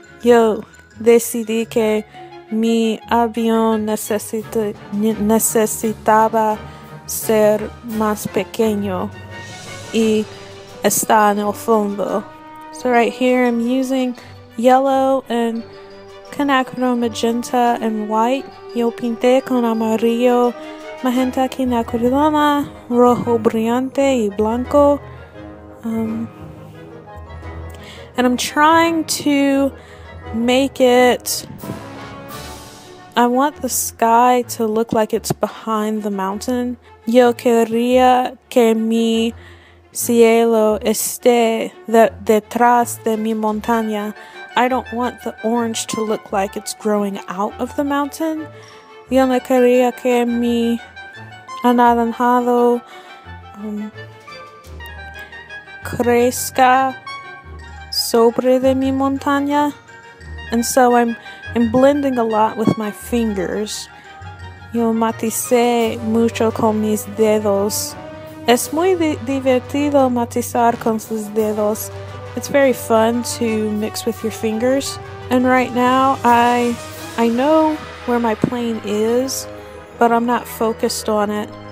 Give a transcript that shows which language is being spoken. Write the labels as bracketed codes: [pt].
[es] Yo decidí que mi avión necesitaba ser más pequeño y está en el fondo. [en] So right here I'm using yellow and quinacridone magenta and white. [es] Yo pinté con amarillo, magenta quinacridona, rojo brillante y blanco. [en] And I'm trying to make it, I want the sky to look like it's behind the mountain. [es] Yo quería que mi cielo esté detrás de mi montaña. [en] I don't want the orange to look like it's growing out of the mountain. [es] Yo no quería que mi anaranjado crezca sobre de mi montaña. [en] And so I'm blending a lot with my fingers. [es] Yo maticé mucho con mis dedos. Es muy divertido matizar con sus dedos. [en] It's very fun to mix with your fingers. And right now, I know where my plane is, but I'm not focused on it.